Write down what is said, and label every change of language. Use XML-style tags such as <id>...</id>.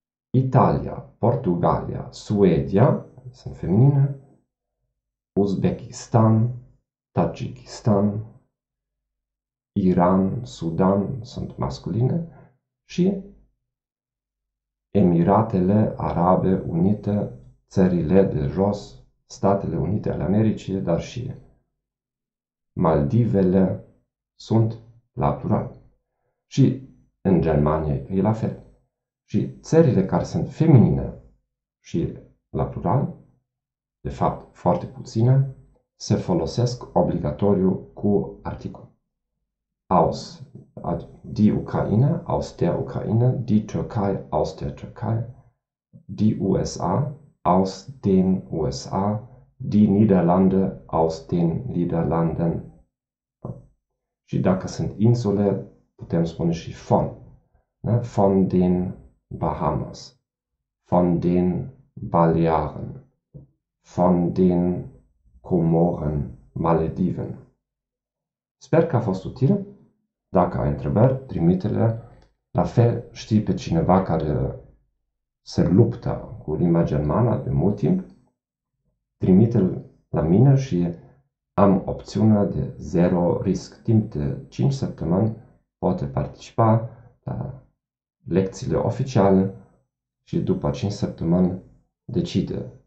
<ro>Italia, Portugalia, Suedia, sunt feminine, Uzbekistan, Tajikistan, Iran, Sudan, sunt masculine și Emiratele Arabe Unite, Țările de Jos, Statele Unite ale Americii, dar și Maldivele sunt la plural. Și în Germania e la fel. Și țările care sunt feminine și la plural, de fapt foarte puține, se folosesc obligatoriu cu articol.</ro> <de>Aus die Ukraine, aus der Ukraine, die Türkei, aus der Türkei, die USA, aus den USA, die Niederlande, aus den Niederlanden.</de> <ro>Și dacă sunt insule, putem spune și von, ne?</ro> <de>Von den Bahamas, von den Balearen, von den Komoren, Malediven.</de> <ro>Sper că a fost util. Dacă ai întrebări, trimite-le. La fel, știi pe cineva care se luptă cu limba germană de mult timp, trimite-l la mine și am opțiunea de zero risc. Timp de 5 săptămâni poate participa la lecțiile oficiale și după 5 săptămâni decide.</ro>